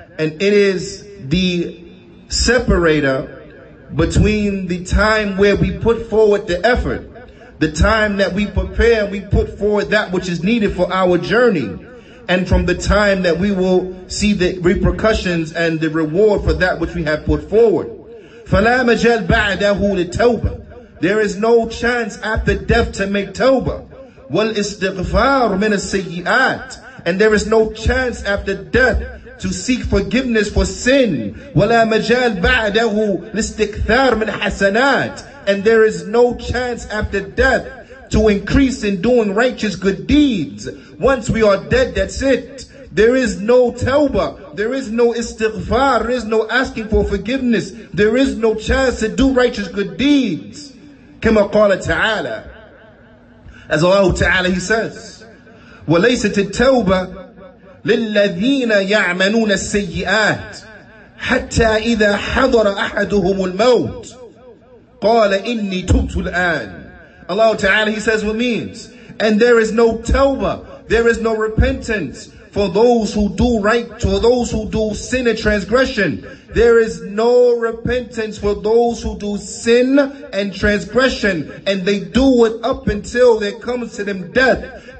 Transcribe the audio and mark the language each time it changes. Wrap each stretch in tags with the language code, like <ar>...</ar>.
<en>And it is the separator between the time where we put forward the effort, the time that we prepare, we put forward that which is needed for our journey, and from the time that we will see the repercussions and the reward for that which we have put forward.</en> <ar>فَلَا مَجَلْ بَعْدَهُ لِتَوْبَةٍ.</ar> <en>There is no chance after death to make tawbah.</en> <ar>والاستغفار من السيئات.</ar> <en>And there is no chance after death to seek forgiveness for sin.</en> <ar>ولا مجال بعده لاستكثار من حسنات.</ar> <en>And there is no chance after death to increase in doing righteous good deeds. Once we are dead, that's it. There is no tawbah. There is no istighfar. There is no asking for forgiveness. There is no chance to do righteous good deeds.</en> <ar>كما قال تعالى.</ar> <en>As Allah Ta'ala, He says,</en> <ar>وليست التوبة للذين يعملون السيئات حتى إذا حضر أحدهم الموت قال إني تبت الآن.</ar> <en>Allah Ta'ala, He says, what means? And there is no tawbah, there is no repentance for those who do right, for those who do sin and transgression. There is no repentance for those who do sin and transgression. And they do it up until there comes to them death.</en>